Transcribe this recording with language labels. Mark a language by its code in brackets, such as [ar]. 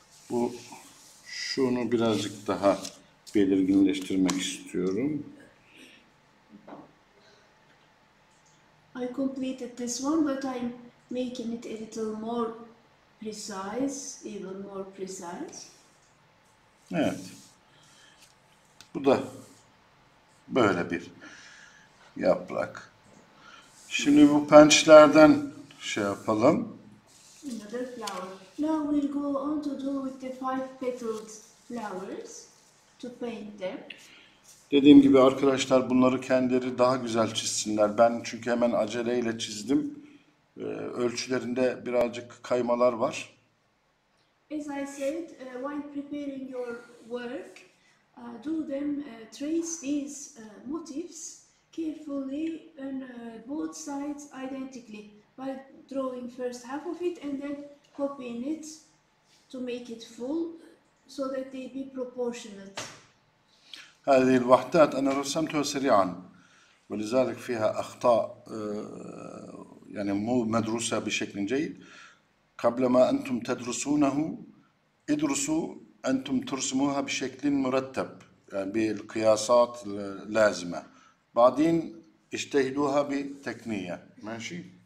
[tr] Bu şunu birazcık daha belirginleştirmek istiyorum. [en] I completed this one but I'm making it a little more precise, even more precise. [tr] Evet. Bu da böyle bir yaprak. Şimdi bu pençlerden şey yapalım. [en] Another flower. Now we'll go on to do with the five-petaled flowers to paint them. [tr] Dediğim gibi arkadaşlar bunları kendileri daha güzel çizsinler. Ben çünkü hemen aceleyle çizdim. Ölçülerinde birazcık kaymalar var. [en] As I said, while preparing your work, do them trace these motifs carefully on both sides identically by drawing first half of it and then copying it to make it full so that they be proportionate. [ar] هذه الوحدات أنا رسمتها سريعا ولذلك فيها أخطاء يعني مو مدروسة بشكل جيد قبل ما أنتم تدرسونه ادرسوا أنتم ترسموها بشكل مرتب يعني بالقياسات اللازمة بعدين اجتهدوها بتقنية ماشي